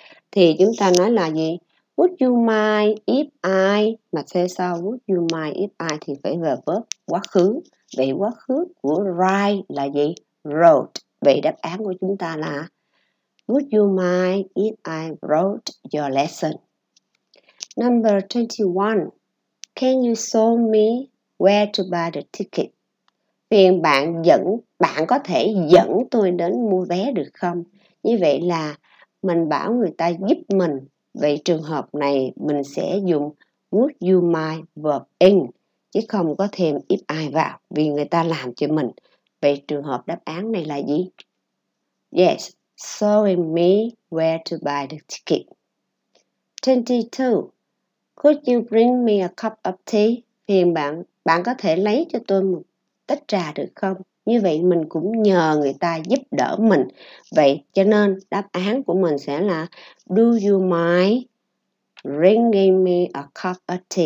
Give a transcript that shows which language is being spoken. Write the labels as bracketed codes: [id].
[vi] Thì chúng ta nói là gì? [en] Would you mind if I? [vi] Mà thế sao would you mind if I thì phải về verb quá khứ. Vậy quá khứ của write là gì? Wrote. Vậy đáp án của chúng ta là [en] would you mind if I wrote your lesson? Number 21. Can you show me where to buy the ticket? [vi] Phiền bạn dẫn, bạn có thể dẫn tôi đến mua vé được không? Như vậy là mình bảo người ta giúp mình. Vậy trường hợp này mình sẽ dùng would you mind verb in, chứ không có thêm if I vào vì người ta làm cho mình. Vậy trường hợp đáp án này là gì? [en] Yes. Showing me where to buy the ticket. 22. Could you bring me a cup of tea? [vi] Phiền bạn, bạn có thể lấy cho tôi một tách trà được không? Như vậy mình cũng nhờ người ta giúp đỡ mình. Vậy cho nên đáp án của mình sẽ là [en] do you mind bringing me a cup of tea?